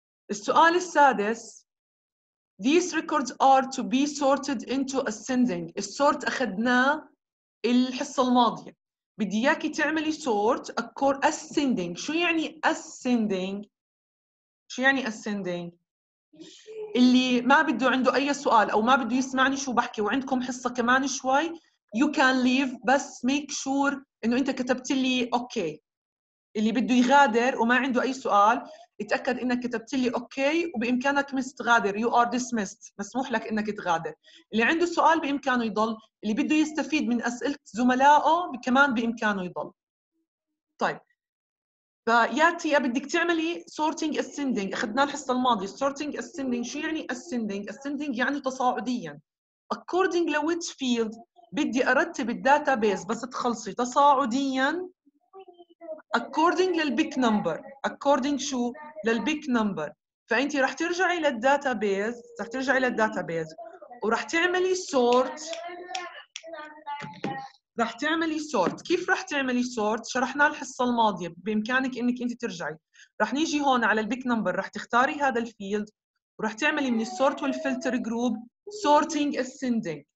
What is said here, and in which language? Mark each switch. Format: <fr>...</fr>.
<ar>السؤال السادس,</ar> <en>these records are to be sorted into ascending.</en> <ar>السورت اخذناه الحصه الماضيه. بدي اياكي تعملي sort ascending. شو يعني ascending؟ شو يعني ascending؟ اللي ما بده عنده أي سؤال أو ما بده يسمعني شو بحكي وعندكم حصة كمان شوي,</ar> <en>you can leave,</en> <ar>بس</ar> <en>make sure</en> <ar>إنه أنت كتبت لي okay. اللي بده يغادر وما عنده أي سؤال اتأكد إنك كتبت لي okay وبإمكانك تغادر,</ar> <en>you are dismissed,</en> <ar>مسموح لك إنك تغادر. اللي عنده سؤال بإمكانه يضل, اللي بده يستفيد من أسئلة زملائه كمان بإمكانه يضل. طيب فياتي بدك تعملي sorting ascending. أخذنا الحصة الماضية sorting ascending. شو يعني ascending؟ ascending يعني تصاعديا.</ar> <en>according to which field</en> <ar>بدي أرتب database بس تخلصي تصاعديا.</ar> <en>according</en> <ar>للبيك</ar> <en>number, according</en> <ar>شو للبيك</ar> <en>number.</en> <ar>فأنت رح ترجعي للdatabase, رح ترجعي للdatabase ورح تعملي sort, رح تعملي sort. كيف رح تعملي sort؟ شرحنا الحصة الماضية, بإمكانك إنك أنت ترجعي. رح نيجي هون على البيك نمبر, رح تختاري هذا الفيلد ورح تعملي من sort والفلتر جروب sorting ascending.</ar>